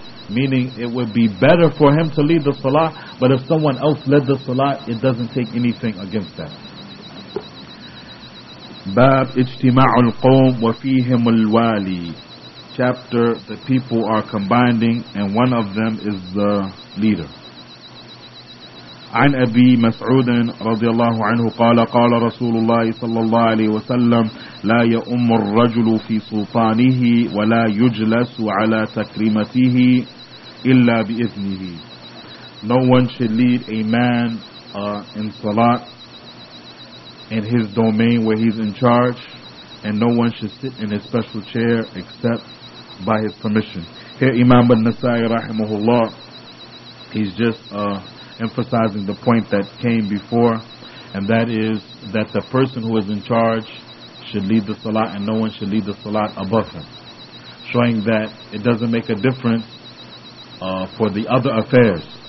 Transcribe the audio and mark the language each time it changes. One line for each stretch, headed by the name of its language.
English: Meaning it would be better for him to lead the salah, but if someone else led the salah, it doesn't take anything against that.
Arabic: Bab ijtima'u al-qawm wa fihim al-wali.
English: Chapter, the people are combining and one of them is the leader.
Arabic: عن أبي مسعود رضي الله عنه قال قال رسول الله صلى الله عليه وسلم لا يؤم الرجل في سلطانه ولا يجلس على تكريمته إلا بإذنه.
English: No one should lead a man in salat in his domain where he's in charge, and no one should sit in his special chair except by his permission. Here Imam al-Nasa'i rahimahullah, he's just emphasizing the point that came before, and that is that the person who is in charge should lead the salat, and no one should lead the salat above him, showing that it doesn't make a difference for the other affairs.